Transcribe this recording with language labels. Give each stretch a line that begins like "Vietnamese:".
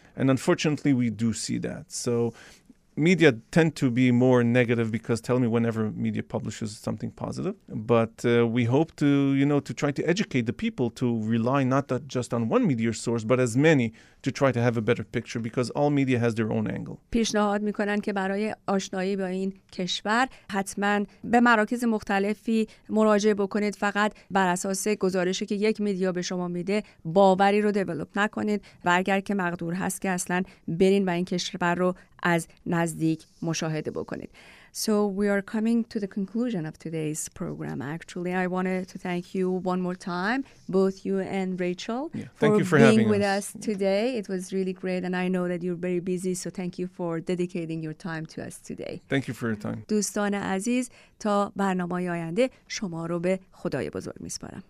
English: And unfortunately, we do see that. So media tend to be more negative, because tell me whenever media publishes something positive. But we hope to, you know, to try to educate the people to rely not just on one media source, but as many, to try to have a better picture, because all media has their own angle.
Persian: پیشنهاد میکنن که برای آشنایی با این کشور حتما به مراکز مختلفی مراجعه بکنید. فقط بر اساس گزارشی که یک میدیا به شما میده باوری رو دیولپ نکنید، و اگر که مقدور هست که اصلا برین و این کشور رو از نزدیک مشاهده بکنید.
English: So we are coming to the conclusion of today's program. Actually, I wanted to thank you one more time, both you and Rachel, for being with us today. It was really great, and I know that you're very busy, so thank you for dedicating your time to us today. Thank you for your time.
Persian: دوستان عزیز، تا برنامه‌های آینده شما رو به خدای بزرگ می‌سپارم.